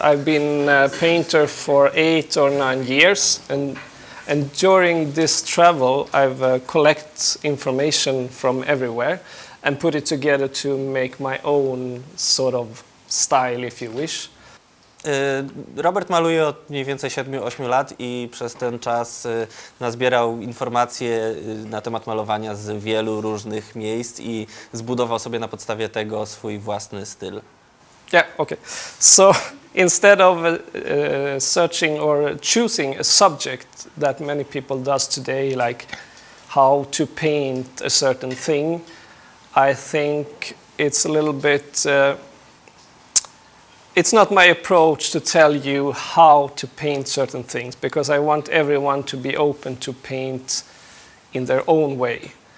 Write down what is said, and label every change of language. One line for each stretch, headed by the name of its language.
English: I've been a painter for 8 or 9 years, and during this travel, I've collect information from everywhere and put it together to make my own sort of style, if you wish.
Polish: Robert maluje od mniej więcej 7-8 lat i przez ten czas nazbierał informacje na temat malowania z wielu różnych miejsc i zbudował sobie na podstawie tego swój własny styl.
English: Yeah, okay. So instead of searching or choosing a subject that many people does today, like how to paint a certain thing, I think it's a little bit it's not my approach to tell you how to paint certain things, because I want everyone to be open to paint in their own way.